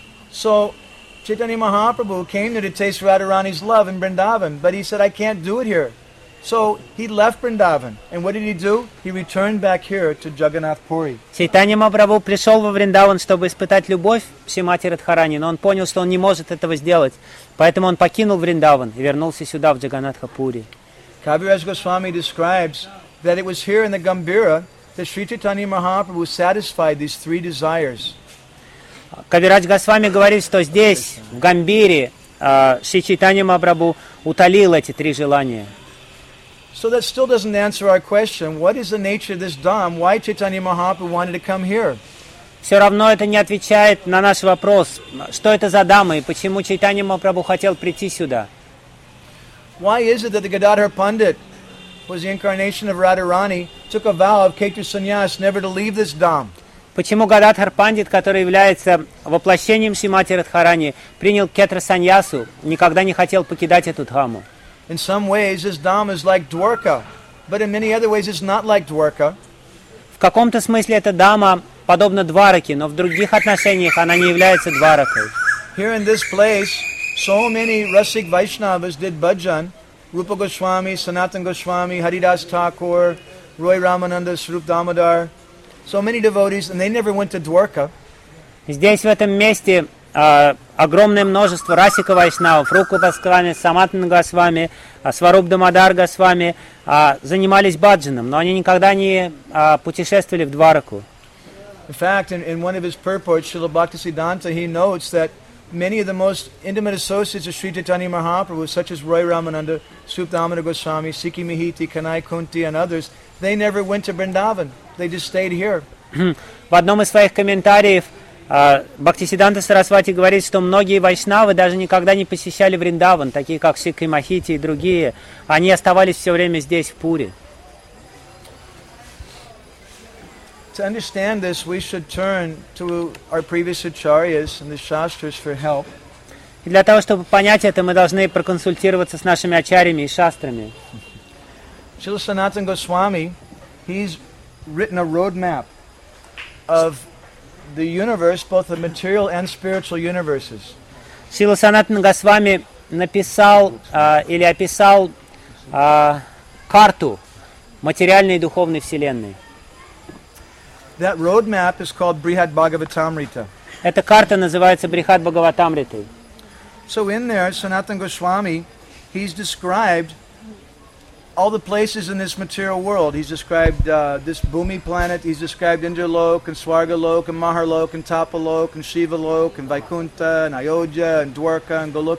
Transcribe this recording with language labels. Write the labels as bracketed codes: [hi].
[en] So, Chaitanya Mahaprabhu came there to taste Radharani's love in Vrindavan, but he said, I can't do it here. So he left Vrindavan, and what did he do? He returned back here to Jagannath Puri. [ru] Chaitanya Mahaprabhu пришел во Вриндаван, чтобы испытать любовь Шримати Радхарани, но он понял, что он не может этого сделать, поэтому он покинул Вриндаван и вернулся сюда в Джаганнатха Пури. [en] Kaviraj Goswami describes that it was here in the Gambira that Sri Chaitanya Mahaprabhu satisfied these three desires. [ru] Kaviraj Goswami говорит, что здесь в Гамбире Шри Чайтанья Махапрабху утолил эти три желания. [en] So that still doesn't answer our question, what is the nature of this dham? Why Chaitanya Mahaprabhu wanted to come here? [ru] Все равно это не отвечает на наш вопрос, что это за дама и почему Чайтанья Махапрабху хотел прийти сюда? [en] Why is it that the Gadadhar Pandit, who was the incarnation of Radharani, took a vow of Kheta Sannyas never to leave this dham? [ru] Почему Гададхар Пандит, который является воплощением Шримати Радхарани, принял Кхетра Саньясу, никогда не хотел покидать эту дхаму? [en] In some ways, this dham is like Dwarka, but in many other ways, it's not like Dwarka. [ru] В каком-то смысле эта дама подобна Двараке, но в других отношениях она не является Дваракой. [en] Here in this place, so many Rasik Vaishnavas did bhajan. Rupa Goswami, Sanatan Goswami, Haridas Thakur, Roy Ramananda, Sarup Damodar. So many devotees, and they never went to Dwarka. [ru] Здесь, в этом месте, огромное множество Расика Вайшнавов, Рупа Госвами, Санатан Госвами, Сваруп Дамодар Госвами занимались бхаджаном, но они никогда не путешествовали в Двараку. [en] In fact, in one of his purports, Srila Bhaktisiddhanta, he notes that many of the most intimate associates of Sri Chaitanya Mahaprabhu, such as Roy Ramananda, Sarup Damodar Goswami, Sikhi Mihiti, Kanai Kunti, and others, they never went to Vrindavan. They just stayed here. [ru] В одном из своих комментариев Бхактисиддханта Сарасвати говорит, что многие вайшнавы даже никогда не посещали Вриндаван, такие как Сикхи Махити и другие. Они оставались все время здесь, в Пури. [en] To understand this, we should turn to our previous acharyas and the shastras for help. [ru] И для того, чтобы понять это, мы должны проконсультироваться с нашими ачарьями и шастрами. [en] Srila Sanatan Goswami, he's written a roadmap of the universe, both the material and spiritual universes. [ru] Srila Sanatan Goswami написал или описал карту материальной и духовной вселенной. [en] That roadmap is called Brihad Bhagavatamrita. [ru] Эта карта называется Брихад Бхагаватамрита. [en] So in there, Sanatan Goswami, he's described all the places in this material world. He's described this Bhumi planet. He's described Indralok and Swargalok and Maharlok and Tapalok and Shivalok and Vaikuntha and Ayodhya and Dwarka and Golok.